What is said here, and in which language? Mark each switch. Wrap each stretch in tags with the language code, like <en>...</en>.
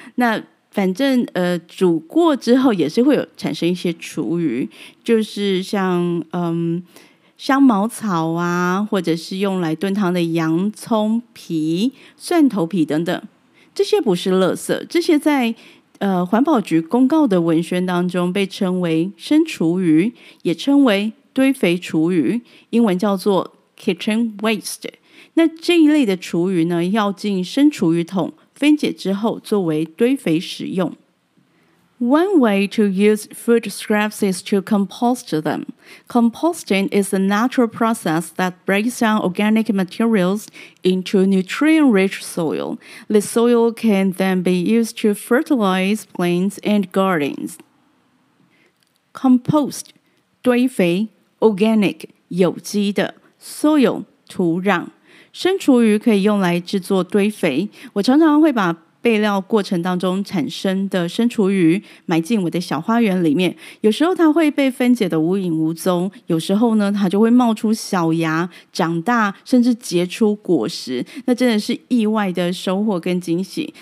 <zh>那反正煮过之后也是会有产生一些厨余，就是像香茅草啊，或者是用来炖汤的洋葱皮、蒜头皮等等，这些不是垃圾，这些在环保局公告的文宣当中被称为生厨余，也称为堆肥厨余，英文叫做 kitchen waste。那这一类的厨余呢，要进生厨余桶分解之后作为堆肥使用。</zh> <en>One way to use food scraps is to compost them. Composting is a natural process that breaks down organic materials into nutrient-rich soil. The soil can then be used to fertilize plants and gardens. Compost, 堆肥, organic, 有机的, soil, 土壤。</en> <zh>生厨余可以用来制作堆肥。我常常会把备料过程当中产生的生厨余埋进我的小花园里面，有时候它会被分解的无影无踪，有时候呢它就会冒出小芽长大，甚至结出果实，那真的是意外的收获跟惊喜。</zh>